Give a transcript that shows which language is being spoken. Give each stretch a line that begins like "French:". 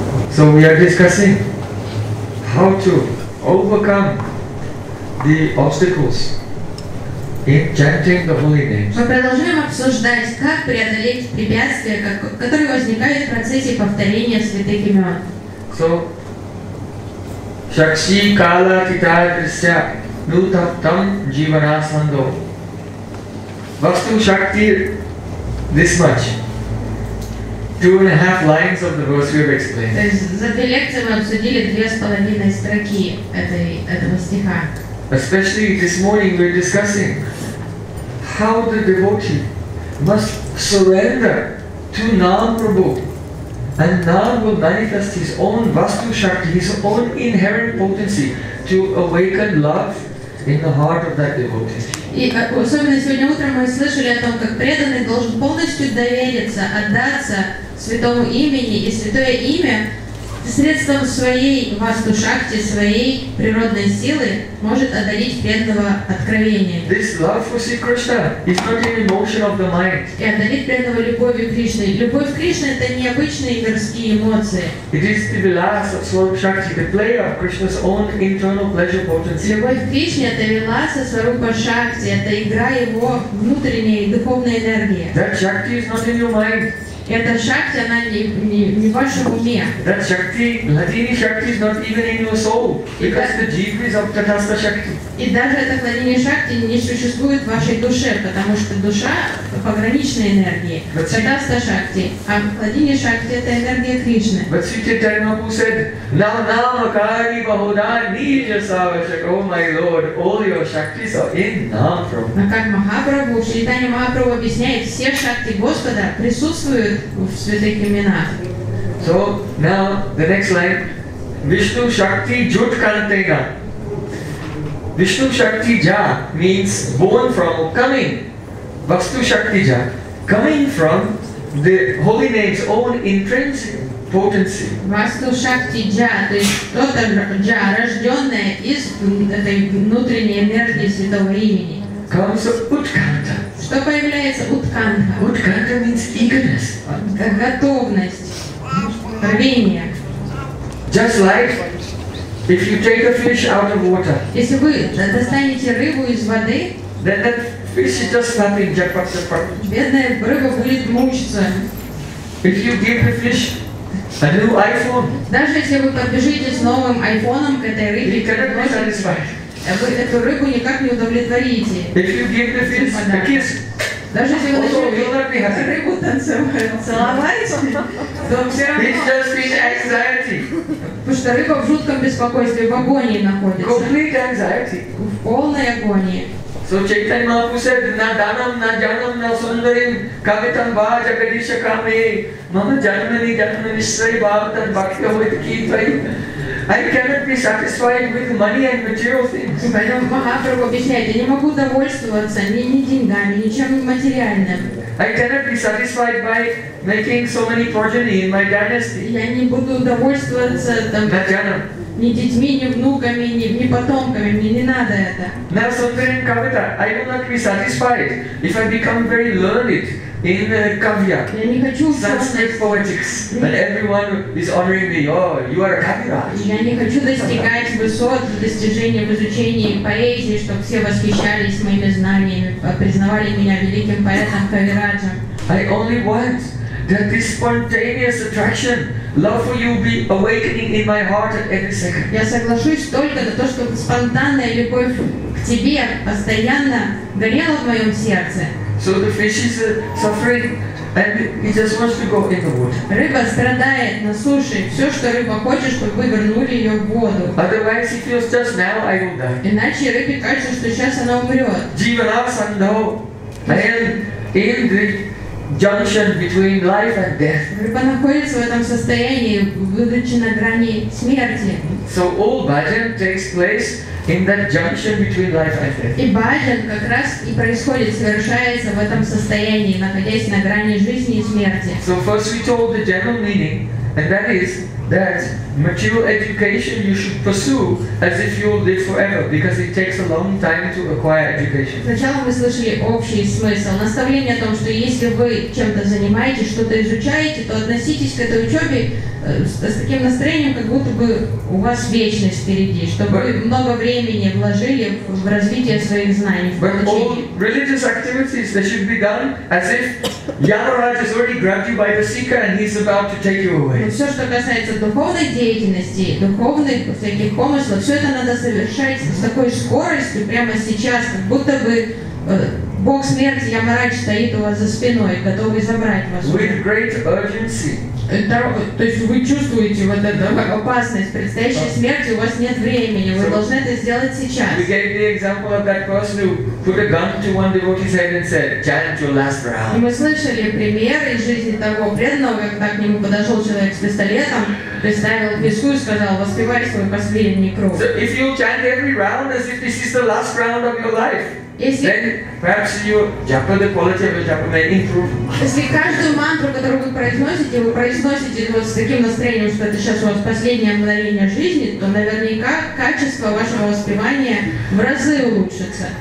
English: So we are discussing how to overcome the obstacles in chanting the holy names.
Russian: Мы продолжаем обсуждать, как преодолеть препятствия, которые возникают в процессе повторения святых имен.
Sanskrit: So, Shakshi Kala Titaya Krishya Nutaptam Jivanasando.
English: Vastu Shaktir, this much. 2.5 lines of the verse we have explained.
Russian: То есть за две лекции мы обсудили 2.5 строки этого стиха.
English: Especially this morning we're discussing how the devotee must surrender to Nam Prabhu. And Nam will manifest his own Vastu Shakti, his own inherent potency to awaken love in the heart of that devotee.
Russian: И особенно сегодня утром мы слышали о том, как преданный должен полностью довериться, отдаться святому имени, и святое имя средством своей Васту Шакти, своей природной силы, может одарить преданного откровением.
English: This love for Sri Krishna is not an emotion of the mind.
Russian: И одарить преданного любовью Кришны. Любовь Кришны — это необычные мирские эмоции.
English: It is the vilas of Swarup Shakti, the player of Krishna's own internal pleasure potency.
Russian: Любовь Кришны — это виласа Сварупа Шакти, это игра его внутренней духовной энергии.
English: That Shakti is not in your mind.
Russian: Эта шакти, она не в вашем уме.
English: That shakti, ladini shakti, is not even in your soul, because the jiva is of tatastha shakti.
Russian: И даже эта ладини шакти не существует в вашей душе, потому что душа пограничной энергии, татастха шакти, а ладини шакти — это энергия Кришны.
English: But Sri Chaitanya Mahaprabhu said,
Sanskrit: Namakari Bahudani Jasavashak,
English: oh my lord, all your shaktis are in Nam Prabhu.
Russian: Но как Махапрабху, Шритани Махапрабху объясняет, все шакти Господа присутствуют в святых именах.
English: So now the next line, Vishnu Shakti Jut Kantega. Vishnu Shakti Ja means born from, coming. Vastu Shakti Ja, coming from the holy name's own intrinsic potency.
Russian: Vastu Shakti Ja, то есть тот Ja, рожденное из этой внутренней энергии святого имени.
English: Comes of Utkanta.
Russian: Что появляется Утканта?
English: Утканта means eagerness.
Russian: Готовность. Рвение.
English: Just like if you take a fish out of water.
Russian: Если вы достанете рыбу из воды,
English: then that fish is just flapping, jackpot.
Russian: Бедная рыба будет мучиться.
English: If you give the fish a new iPhone.
Russian: Даже если вы подбежите с новым айфоном к этой рыбе,
English: it cannot be satisfied.
Russian: Вы эту рыбу никак не удовлетворите.
English: If you give the fish a kiss,
Russian: даже если вы начнете рыбу целовать, то все равно...
English: It's just in anxiety.
Russian: Потому что рыба в жутком беспокойстве, в агонии находится.
English: Complete anxiety.
Russian: В полной агонии.
English: So Chaitanya Mahaprabhu said,
Sanskrit: na danam, na janam, na sundarim, kavitam va jagadisha kame, mama janmani janmani shrai bhavatan bhakya vait kitvai.
English: I cannot be satisfied with money and material things.
Russian: Поэтому Махапрабху объясняет, я не могу довольствоваться ни деньгами, ничем материальным.
English: I cannot be satisfied by making so many progeny in my dynasty.
Russian: Я не буду довольствоваться там...
Sanskrit: На джанам.
Russian: Ни детьми, ни внуками, ни потомками, мне не надо это.
Sanskrit: На сундарим кавита,
English: I will not be satisfied if I become very learned. In Kavya, Sanskrit poetics, and everyone is honoring me, oh, you are a Kaviraj.
Russian: Я не хочу достигать высот в достижении, в изучении поэзии, чтобы все восхищались моими знаниями, признавали меня великим поэтом Кавираджем.
English: I only want that this spontaneous attraction, love for you, be awakening in my heart at every second.
Russian: Я соглашусь только на то, чтобы спонтанная любовь к тебе постоянно горела в моем сердце.
English: So the fish is suffering and it just wants to go in the water.
Russian: Рыба страдает на суше. Все, что рыба хочет, чтобы вы вернули ее в воду.
English: Otherwise it feels just now I will die.
Russian: Иначе рыбе кажется, что сейчас она умрет.
Sanskrit: Jivanasando.
English: I am in the junction between life and death.
Russian: Рыба находится в этом состоянии, выдачей на грани смерти.
English: So all bhajan takes place in that junction between life and death.
Russian: И баджан как раз и происходит, совершается в этом состоянии, находясь на грани жизни и смерти.
English: So first we told the general meaning, And that is that material education you should pursue as if you will live forever, because it takes a long time to acquire education.
Russian: Сначала вы слышали общий смысл наставления о том, что если вы чем-то занимаетесь, что-то изучаете, то относитесь к этой учебе с таким настроением, как будто бы у вас вечность впереди, чтобы вы много времени вложили в развитие своих знаний.
English: But all religious activities they should be done as if Yamaraj has already grabbed you by the sika and he's about to take you away.
Russian: Все, что касается духовной деятельности, духовных всяких помыслов, все это надо совершать с такой скоростью прямо сейчас, как будто бы Бог смерти Ямарадж стоит у вас за спиной, готовый забрать вас.
English: With great urgency.
Russian: То есть вы чувствуете вот эту опасность предстоящей смерти, у вас нет времени, вы должны это сделать сейчас.
English: We gave the example of that person who put a gun to one devotee's head and said, chant your last round.
Russian: Мы слышали пример из жизни того преданного, когда к нему подошел человек с пистолетом, представил к виску и сказал, воспевай свой последний круг.
English: So if you chant every round as if this is the last round of your life,
Russian: если каждую мантру, которую вы произносите вот с таким настроением, что это сейчас у вас последнее мгновение жизни, то наверняка качество вашего воспевания в разы улучшится.